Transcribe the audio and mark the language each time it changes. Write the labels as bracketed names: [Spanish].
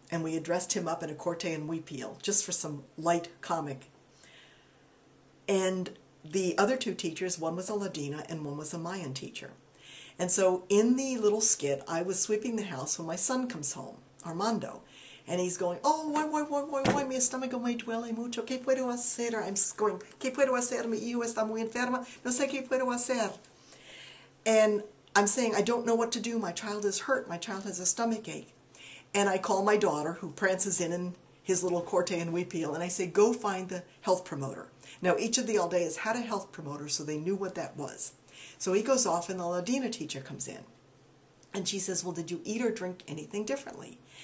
[English] And we addressed him up in a corte and huipil, just for some light comic. And the other two teachers, one was a Ladina and one was a Mayan teacher. And so in the little skit, I was sweeping the house when my son comes home, Armando. And he's going, oh, why, [Spanish] mi estómago me duele mucho, ¿qué puedo hacer? [English] I'm going, [Spanish] ¿qué puedo hacer? Mi hijo está muy enfermo, no sé qué puedo hacer. [English] And I'm saying, I don't know what to do, my child is hurt, my child has a stomach ache. And I call my daughter, who prances in his little corte and huipil, and I say, go find the health promoter. Now, each of the aldeas had a health promoter, so they knew what that was. So he goes off, and the Ladina teacher comes in. And she says, well, did you eat or drink anything differently?